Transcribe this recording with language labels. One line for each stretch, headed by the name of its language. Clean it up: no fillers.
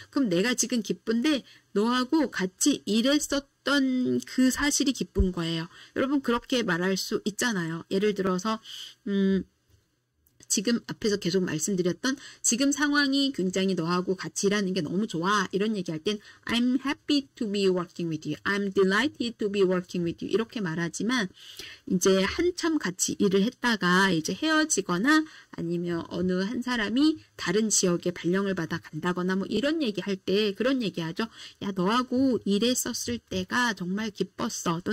Korean: 그럼 내가 지금 기쁜데 너하고 같이 일했었던 그 사실이 기쁜 거예요. 여러분 그렇게 말할 수 있잖아요. 예를 들어서 지금 앞에서 계속 말씀드렸던 지금 상황이 굉장히 너하고 같이 일하는 게 너무 좋아.
English: 이런 얘기할 땐 I'm happy to be working with you. I'm delighted to be working with you.
Korean: 이렇게 말하지만 이제 한참 같이 일을 했다가 이제 헤어지거나 아니면 어느 한 사람이 다른 지역에 발령을 받아 간다거나 뭐 이런 얘기할 때 그런 얘기하죠. 야, 너하고 일했었을 때가 정말 기뻤어.